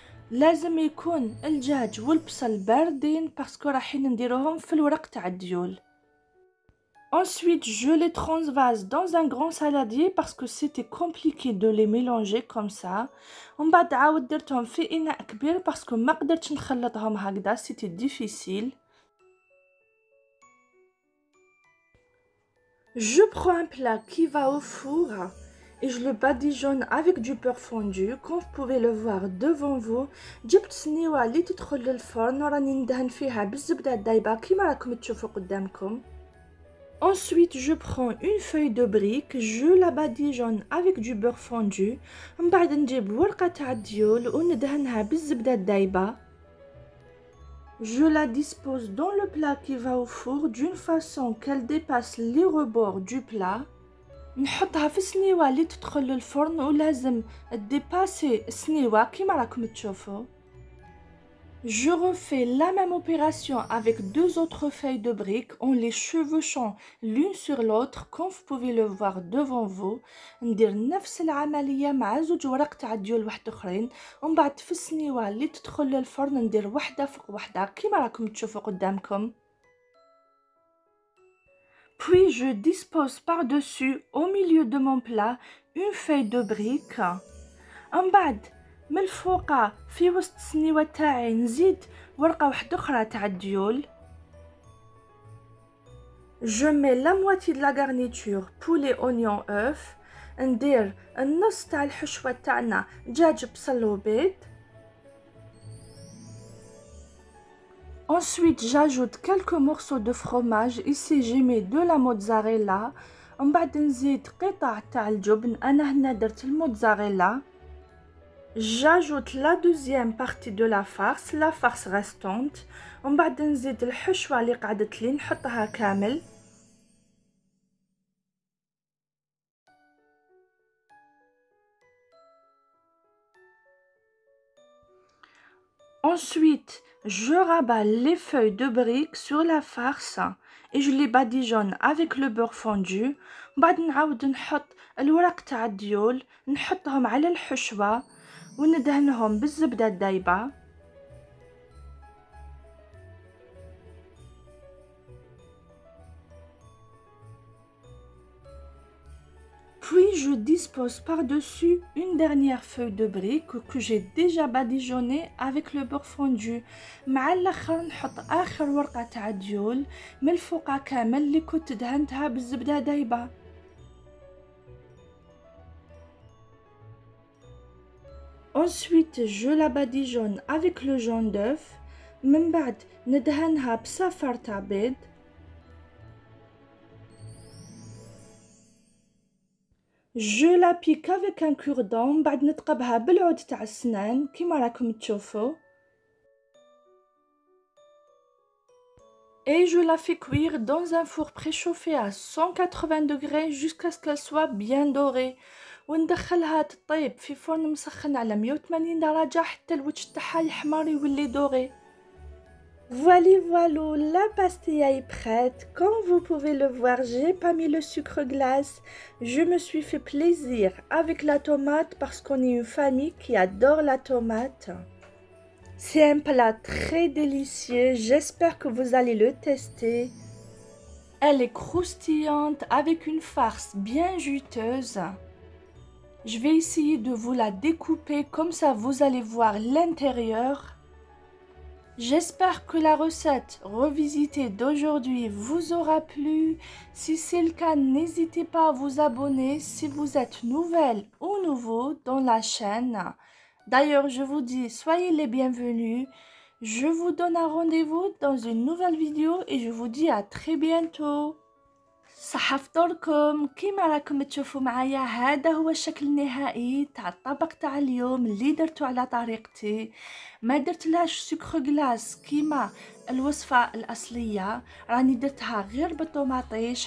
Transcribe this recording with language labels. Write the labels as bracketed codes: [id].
[ar] لازم يكون الدجاج والبصل باردين باسكو راحين نديروهم في الورق تاع الديول. [fr] Ensuite, je les transvase dans un grand saladier parce que c'était compliqué de les mélanger comme ça. On va d'abord les faire en grand parce que je ne pouvais pas les mélanger, c'était difficile. Je prends un plat qui va au four et je le badigeonne avec du beurre fondu, comme vous pouvez le voir devant vous. Je prends un plat qui va au four et je le badigeonne avec du beurre fondu, comme vous pouvez le voir devant vous. Ensuite, je prends une feuille de brique, je la badigeonne avec du beurre fondu. [ar] بعد نجيب ورقة تاع الديول وندهنها بالزبدة الدايبة. [fr] Je la dispose dans le plat qui va au four d'une façon qu'elle dépasse les rebords du plat. [ar] نحطها في سنيوة اللي تدخل الفرن ولازم تديباسي سنيوة كيما راكم تشوفوا. [fr] Je refais la même opération avec deux autres feuilles de briques en les chevauchant l'une sur l'autre, comme vous pouvez le voir devant vous. [ar] ندير نفس العملية مع زوج ورق تاع ديول واحد اخرين، ومن بعد في السنيوة اللي تدخل للفرن ندير واحدة فوق واحدة كيما راكم تشوفوا قدامكم. [fr] Puis je dispose par-dessus au milieu de mon plat une feuille de brique. En bas [ar] من الفوق في وسط السنيوة تاعي نزيد ورقة واحدة أخرى تاع الديول. [fr] Je mets la moitié de la garniture poulet oignon œuf. [ar] ندير النص تاع الحشوة تاعنا دجاج بصل وبيض. [fr] Ensuite j'ajoute quelques morceaux de fromage. Ici j'ai mis de la mozzarella. [ar] من بعد نزيد قطع تاع الجبن، أنا هنا درت الموتزاريلا. [fr] J'ajoute la deuxième partie de la farce restante. On va ajouter le [ar] hachoua li qadat li nhotaha kamel. [fr] Ensuite, je rabats les feuilles de brique sur la farce et je les badigeonne avec le beurre fondu. On va [ar] نعاود نحط الورق تاع الديول نحطهم على الحشوة وندهنهم بالزبدة الدايبة. [fr] Puis je dispose par-dessus une dernière feuille de brique que j'ai déjà badigeonnée avec le beurre fondu. [ar] Mع الاخر نحط اخر ورقه تاع ديول من الفوقه كامل اللي كنت دهنتها بالزبده دايبه. [fr] Ensuite, je la badigeonne avec le jaune d'œuf. [ar] من بعد ندهنها بصفر تاع بيض. [fr] Je la pique avec un cure-dent, [ar] بعد نتقبها بالعود تاع السنان كيما راكم تشوفوا. [fr] Et je la fais cuire dans un four préchauffé à 180 degrés jusqu'à ce qu'elle soit bien dorée. [ar] وندخلها تطيب في فرن مسخن على 180 درجة حتى الوجه تاعها يحمر ويولي دوري. [fr] Voilà, la pastilla est prête. Comme vous pouvez le voir, j'ai pas mis le sucre glace. Je me suis fait plaisir avec la tomate parce qu'on est une famille qui adore la tomate. C'est un plat très délicieux. J'espère que vous allez le tester. Elle est croustillante avec une farce bien juteuse. Je vais essayer de vous la découper comme ça vous allez voir l'intérieur. J'espère que la recette revisitée d'aujourd'hui vous aura plu. Si c'est le cas, n'hésitez pas à vous abonner si vous êtes nouvelle ou nouveau dans la chaîne. D'ailleurs, je vous dis, soyez les bienvenus. Je vous donne un rendez-vous dans une nouvelle vidéo et je vous dis à très bientôt. [ar] صح فطوركم كيما راكم تشوفوا معايا هذا هو الشكل النهائي تاع الطبق تاع اليوم اللي درتو على طريقتي. ما درتلهاش سكر غلاس كيما الوصفه الاصليه، راني درتها غير بالطوماطيش.